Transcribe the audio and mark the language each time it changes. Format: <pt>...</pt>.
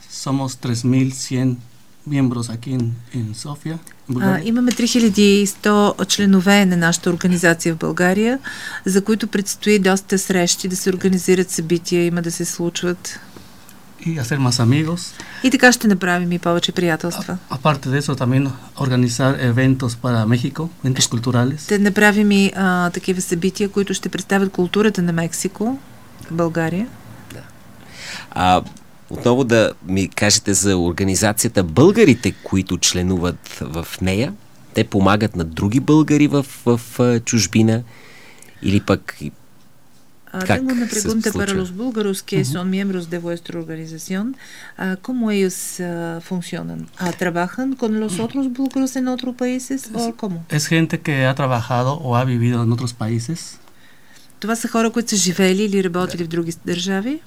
<es>Somos 3100 miembros aquí en Sofía.</es> <bg>Имаме 3100 членове на нашата организация в България, за които предстои доста срещи, да се организират събития, има да се случват.</bg> <es>Y hacer más amigos.</es> <bg>И така ще направим и повече приятелства.</bg> <es>Aparte de eso, también organizar eventos para México, eventos culturales.</es> <bg>Ще направим и такива събития, които ще представят културата на Мексико, България. Да. Отново да ми кажете за организацията. Българите, които членуват в нея, те помагат на други българи в чужбина или пък...</bg> <es>Tengo una pregunta para los búlgaros que son miembros de vuestra organización. ¿Cómo ellos funcionan? ¿Trabajan con los otros búlgaros en otros países o cómo? Es gente que ha trabajado o ha vivido en otros países.</es> <bg>Това са хора, които са живели или работили в други държави.</bg>